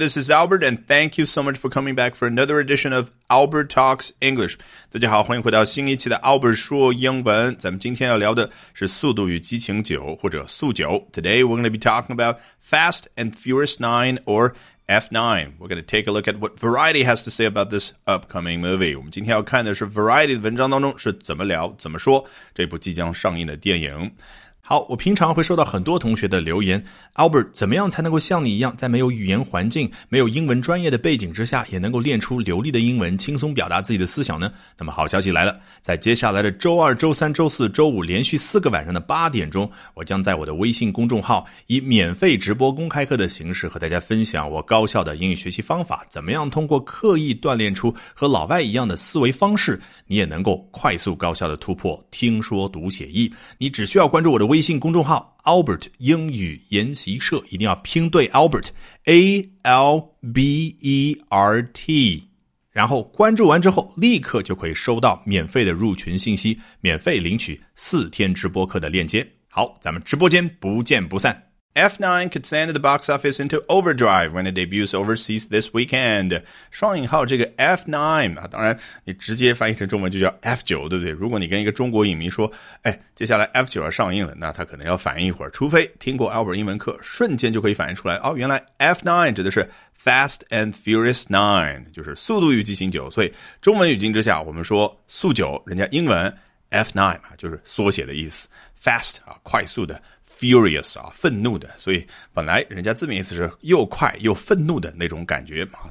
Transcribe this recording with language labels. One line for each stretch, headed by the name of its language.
English: This is Albert, and thank you so much for coming back for another edition of Albert Talks English.
Chinese: 大家好，欢迎回到新一期的 Albert 说英文。咱们今天要聊的是速度与激情九或者速九。
English: Today, we're going to be talking about Fast and Furious 9 or F9. We're going to take a look at what Variety has to say about this upcoming movie.
Chinese: 我们今天要看的是 Variety 的文章当中是怎么聊、怎么说这部即将上映的电影。好，我平常会收到很多同学的留言， Albert 怎么样才能够像你一样在没有语言环境没有英文专业的背景之下也能够练出流利的英文轻松表达自己的思想呢？那么好消息来了，在接下来的周二周三周四周五连续四个晚上的八点钟，我将在我的微信公众号以免费直播公开课的形式和大家分享我高效的英语学习方法，怎么样通过刻意锻炼出和老外一样的思维方式，你也能够快速高效的突破听说读写译。你只需要关注我的微信公众号 Albert 英语研习社，一定要拼对 Albert A-L-B-E-R-T， 然后关注完之后立刻就可以收到免费的入群信息，免费领取四天直播课的链接。好，咱们直播间不见不散。
English: F9 could send the box office into overdrive when it debuts overseas this weekend.
Chinese: 双引号这个 F9、啊、当然你直接翻译成中文就叫 F9， 对不对？如果你跟一个中国影迷说，哎，接下来 F9 要上映了，那他可能要反应一会儿，除非听过 Albert 英文课瞬间就可以反应出来，哦，原来 F9 指的是Fast and Furious 9， 就是速度与激情九。所以中文语境之下我们说速九，人家英文 F9 就是缩写的意思， Fast 啊，快速的， Furious 啊，愤怒的，所以本来人家字面意思是又快又愤怒的那种感觉啊。